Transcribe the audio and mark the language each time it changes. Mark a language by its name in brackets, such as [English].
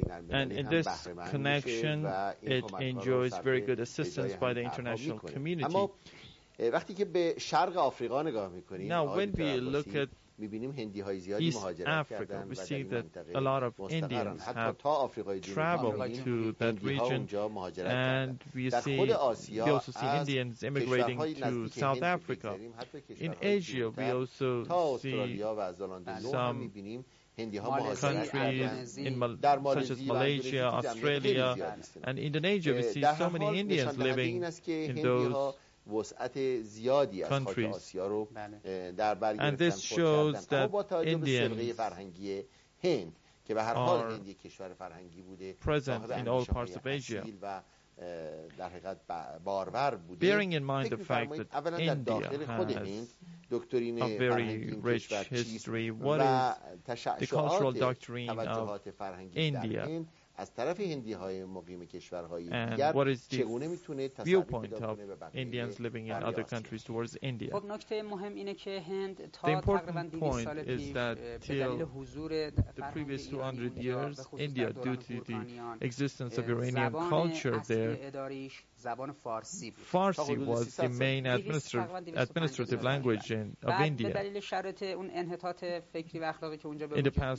[English] And in this connection it enjoys very good assistance by the international community [Persian] وقتی که به شرق آفریقا نگاه می‌کنیم [English] Now when we look at East Africa, we see that a lot of Indians have traveled to that region, and we see, also see Indians immigrating to South Africa. In Asia, we also see some countries such as Malaysia, Australia, and Indonesia. We see so many Indians living in those [Persian] وسعت زیادی از خاک آسیا رو در بر گرفتن با توجه به سلیقه فرهنگی هند که به هر حال هند یک کشور فرهنگی بوده [English] present in all parts of Asia [Persian] و در حقیقت بارور بوده [English] bearing in mind the fact that [Persian] اولا در داخل خود هند دکترین فرهنگی کشور و تشعشعات توجهات فرهنگی در هند از طرف هندی های مقیم کشورهای دیگر چگونه میتونه تسلط پیدا کنه به بقیه [English] Indians living in other countries towards India. [Persian] خب نکته مهم اینه که هند تا تقریبا 200 سال پیش به دلیل حضور [English] the previous 200 years India due to the existence of Iranian culture there [Persian] زبان فارسی بود. [English] فارسی was the main administrative language of India. [Persian] به دلیل شرایط اون انحطاط فکری و اخلاقی که اونجا به وجود میاد.